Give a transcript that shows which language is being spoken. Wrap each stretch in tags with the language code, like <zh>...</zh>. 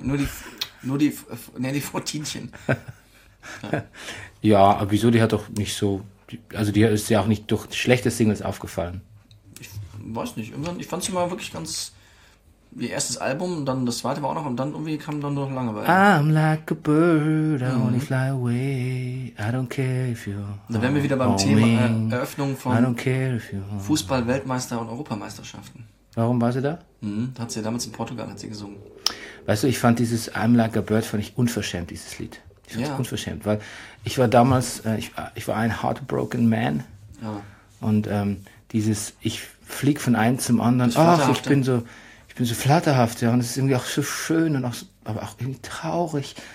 <de>Nur die Nelly Furtinchen. Ja, aber wieso? Die hat doch nicht so. Also, die ist ja auch nicht durch schlechte Singles aufgefallen. Ich weiß nicht. Irgendwann, ich fand sie mal wirklich ganz. Ihr erstes Album, dann das zweite war auch noch und dann irgendwie kam dann nur noch Langeweile.</de> <en>I'm like a bird, I only fly away, I don't care if you.</en> <de>Da wären wir wieder beim Thema Eröffnung von Fußball-Weltmeister- und Europameisterschaften. Warum war sie da? Da hat sie ja damals in Portugal hat sie gesungen. Weißt du, ich fand dieses</de> <en>I'm like a bird,</en> <de>fand ich unverschämt, dieses Lied. Ich fand es unverschämt, weil ich war damals, ich war ein</de> <en>heartbroken man</en> <de>und dieses, ich flieg von einem zum anderen, ich bin so flatterhaft, ja, und es ist irgendwie auch so schön und auch, aber auch irgendwie traurig.</de>